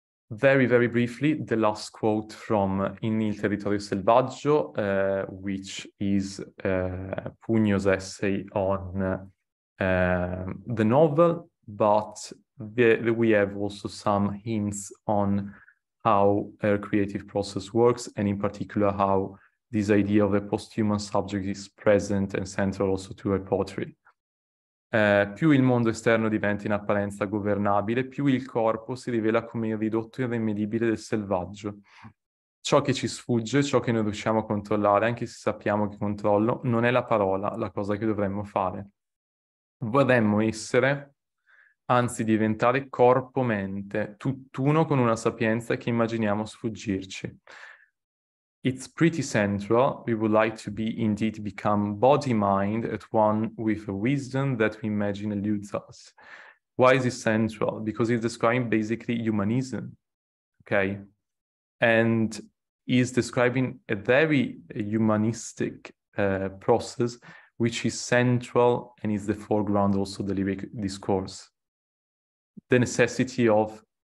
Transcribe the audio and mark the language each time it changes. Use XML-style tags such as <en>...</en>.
<en>Very, very briefly, the last quote from In il territorio selvaggio, which is Pugno's essay on the novel, but we have also some hints on how her creative process works, and in particular how this idea of a posthuman subject is present and central also to her poetry.</en> <it>Più il mondo esterno diventa in apparenza governabile, più il corpo si rivela come il ridotto irremedibile del selvaggio. Ciò che ci sfugge, ciò che non riusciamo a controllare, anche se sappiamo che controllo, non è la parola, la cosa che dovremmo fare. Vorremmo essere, anzi diventare corpo-mente, tutt'uno con una sapienza che immaginiamo sfuggirci.</it> <en>It's pretty central. We would like to be indeed become body-mind at one with a wisdom that we imagine eludes us. Why is it central? Because it's describing basically humanism, okay? And he's describing a very humanistic process, which is central and is the foreground also the lyric discourse. The necessity of</en>